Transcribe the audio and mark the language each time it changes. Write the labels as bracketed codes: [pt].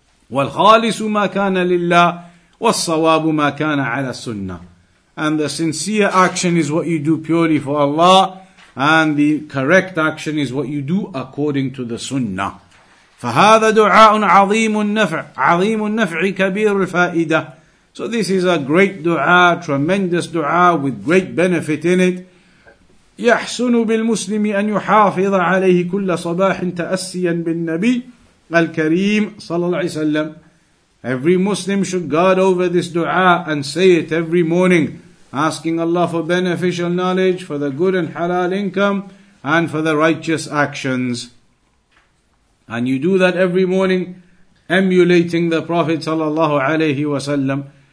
[ar] وَالْخَالِصُ مَا كَانَ لِلَّهِ وَالصَّوَابُ مَا كَانَ عَلَى السُنَّةِ. [en] And the sincere action is what you do purely for Allah, and the correct action is what you do according to the sunnah. [ar] فهذا دعاء عظيم النفع عظيم النفع كبير الفائدة. [en] So this is a great dua, tremendous dua with great benefit in it. [ar] يحسن بالمسلم أن يحافظ عليه كل صباح تأسيا بالنبي الكريم صلى الله عليه وسلم. [en] Every Muslim should guard over this dua and say it every morning, asking Allah for beneficial knowledge, for the good and halal income, and for the righteous actions. And you do that every morning, emulating the Prophet sallallahu alayhi wa sallam.